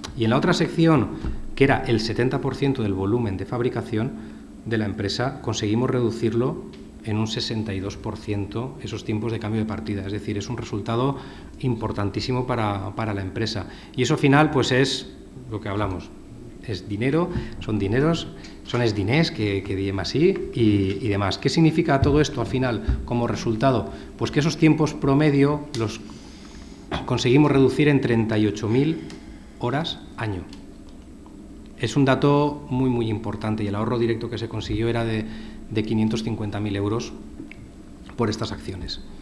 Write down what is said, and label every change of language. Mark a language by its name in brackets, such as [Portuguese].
[Spanish] Y en la otra sección, que era el 70% del volumen de fabricación de la empresa, conseguimos reducirlo en un 62% esos tiempos de cambio de partida. Es decir, es un resultado importantísimo para la empresa. Y eso al final pues es lo que hablamos. Es dinero, son dineros, [Catalan] son els diners que diem així i demás. Què significa tot això al final com a resultat? [Spanish] Pues que esos tiempos promedio los conseguimos reducir en 38.000 horas año. Es un dato muy muy importante y el ahorro directo que se consiguió era de 550.000 euros por estas acciones.